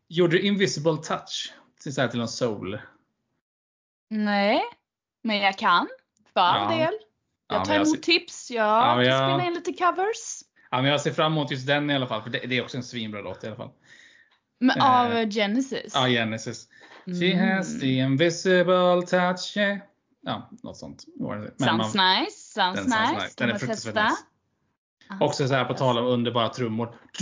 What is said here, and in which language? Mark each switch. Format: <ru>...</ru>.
<sv>Gjorde du Invisible Touch till någon soul? Nej. Men jag kan. För en del. Jag tar emot tips. Jag spelar in lite covers. Ja, men jag ser fram emot just den i alla fall. För det är också en svinbra låt i alla fall. Men av Genesis. Ja, Genesis.</sv> <en>She has the invisible touch.</en> <sv>Ja, något sånt.</sv> <en>Sounds nice.</en> <sv>Den är fruktansvärt nice. Också så här på tal om underbara trummor.</sv>